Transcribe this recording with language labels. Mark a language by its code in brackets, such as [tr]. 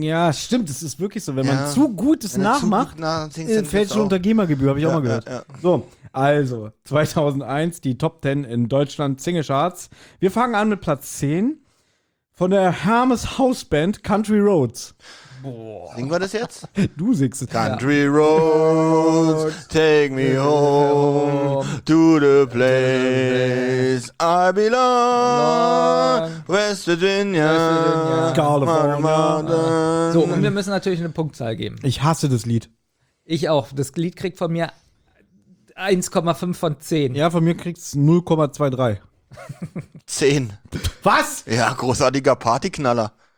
[de] Ja, stimmt, es ist wirklich so. Wenn man zu gut es nachmacht, fällt schon unter GEMA-Gebühr, habe ich auch mal gehört. So. Also, 2001, die Top 10 in Deutschland, Single Charts. Wir fangen an mit Platz 10 von der Hermes House Band, Country Roads. Boah. Singen wir das jetzt? Du singst es. [en] Country roads, take me home to the place I belong. West Virginia, California. [de] So, und wir müssen natürlich eine Punktzahl geben. Ich hasse das Lied. Ich auch. Das Lied kriegt von mir 1,5 von 10. Ja, von mir kriegt es 0,23. 10. Was? Ja, großartiger Partyknaller.